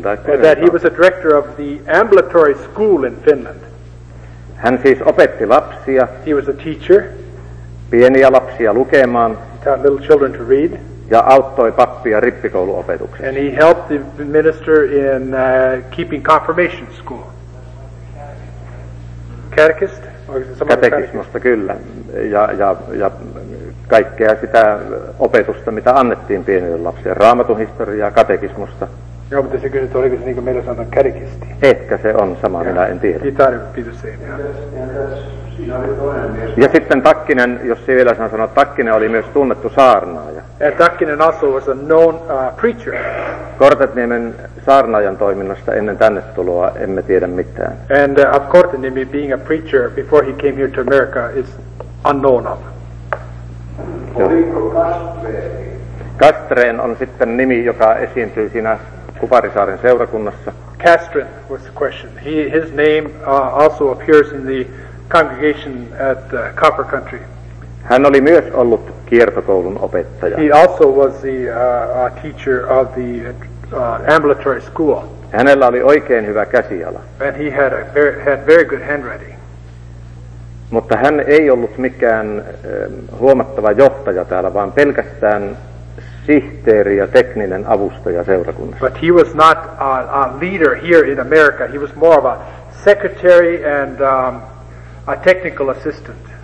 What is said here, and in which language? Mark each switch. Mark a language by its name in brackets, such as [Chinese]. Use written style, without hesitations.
[English] That he was a director of the ambulatory school in Finland. [Finnish] Hän siis opetti lapsia. [English] He was a teacher. [Finnish] Pieniä lapsia lukemaan. [English] He taught little children to read. [Finnish] Ja auttoi pappia rippikouluopetuksessa. [English] And he helped the minister in keeping confirmation school. Catechist? [Finnish] Katekismusta, kyllä. Ja kaikkea sitä opetusta, mitä annettiin pienille lapsille. Raamatun historiaa, katekismusta. Joo, mutta se kysyi, oliko se niin kuin meillä sanotaan katekisti? Ehkä se on sama, minä en tiedä. [English] He thought it would be the same, yeah. [Finnish] Ja sitten Takkinen, jos se vielä sanoo, Takkinen oli myös tunnettu saarnaaja. [English] And Takkinen also was a known preacher. [Finnish] Kortenniemen saarnaajan toiminnasta ennen tänne tuloa emme tiedä mitään. [English] And of Kortenniemi being a preacher before he came here to America is unknown of. [Finnish] Kastreen on sitten nimi, joka esiintyy siinä Kuparisaaren seurakunnassa. [English] Kastren was the question. His name also appears in the congregation at Copper Country. [Finnish] Hän oli myös ollut kiertokoulun opettaja. [English] He also was the teacher of the ambulatory school. [Finnish] Hänellä oli oikein hyvä käsiala. [English] And he had very good handwriting. [Finnish] Mutta hän ei ollut mikään huomattava johtaja täällä, vaan pelkästään sihteeri ja tekninen avustaja seurakunnassa. [English] But he was not a leader here in America. He was more of a secretary and a technical assistant.